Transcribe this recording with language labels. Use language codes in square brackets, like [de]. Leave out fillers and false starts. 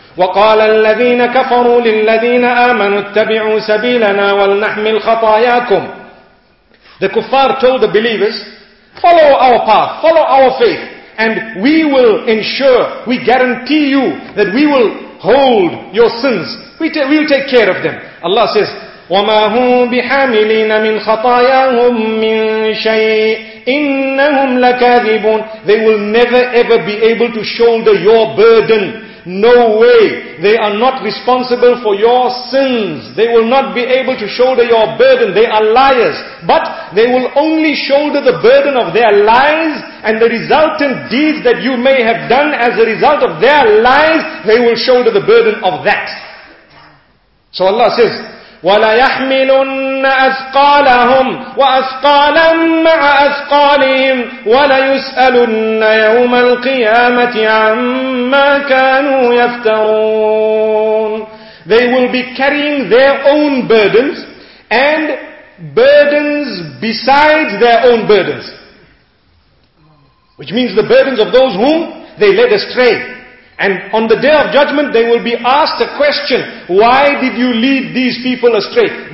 [ar] وَقَالَ الَّذِينَ كَفَرُوا لِلَّذِينَ آمَنُوا اتَّبِعُوا سَبِيلَنَا وَلْنَحْمِلْ خَطَايَاكُمْ. [en] The kuffar told the believers, follow our path, follow our faith, and we will ensure, we guarantee you that we will hold your sins. We'll take care of them. Allah says, [ar] وَمَا هُمْ بِحَامِلِينَ مِنْ خَطَايَاهُمْ مِنْ شَيْءٍ إِنَّهُمْ لَكَاذِبُونَ. [en] They will never ever be able to shoulder your burden. No way. They are not responsible for your sins. They will not be able to shoulder your burden. They are liars. But they will only shoulder the burden of their lies and the resultant deeds that you may have done as a result of their lies. They will shoulder the burden of that. So Allah says, [ar] وَلَيَحْمِلُنَّ أَثْقَالَهُمْ وَأَثْقَالًا مَعَ أَثْقَالِهِمْ وَلَيُسْأَلُنَّ يَوْمَ الْقِيَامَةِ عَمَّا كَانُوا يَفْتَرُونَ. [en] They will be carrying their own burdens and burdens besides their own burdens, which means the burdens of those whom they led astray. And on the day of judgment, they will be asked a question, why did you lead these people astray?